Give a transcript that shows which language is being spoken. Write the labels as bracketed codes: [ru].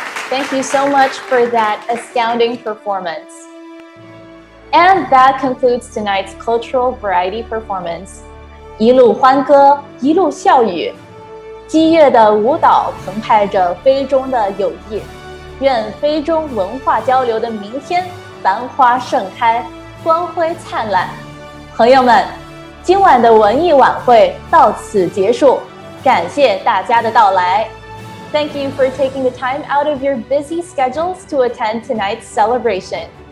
[en] Thank you so much for that astounding performance. And that concludes tonight's cultural variety performance. [zh] 一路欢歌，一路笑语，激越的舞蹈澎湃着非中的友谊。愿非中文化交流的明天繁花盛开，光辉灿烂。朋友们，今晚的文艺晚会到此结束，感谢大家的到来。 [en] Thank you for taking the time out of your busy schedules to attend tonight's celebration.